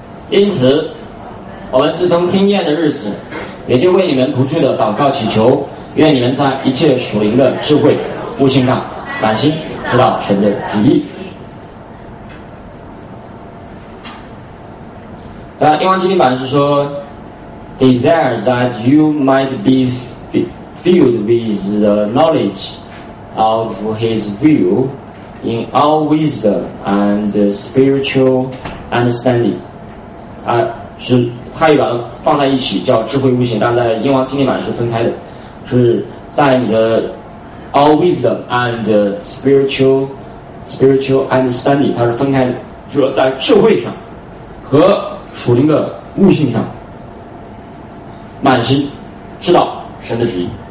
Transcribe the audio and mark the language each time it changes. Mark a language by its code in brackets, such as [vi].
[zh] 因此我们自从听见的日子，也就为你们不住的祷告祈求，愿你们在一切属灵的智慧悟性上长进，知道神的旨意。在《约翰基督版》是说 [en] desires that you might be filled with the knowledge of his will in all wisdom and spiritual understanding。 [zh] 是汉语把它放在一起叫智慧悟性，但在英文经典版是分开的，是在你的 [en] all wisdom and spiritual understanding， [zh] 它是分开的，就是在智慧上和属灵的悟性上满心知道神的旨意。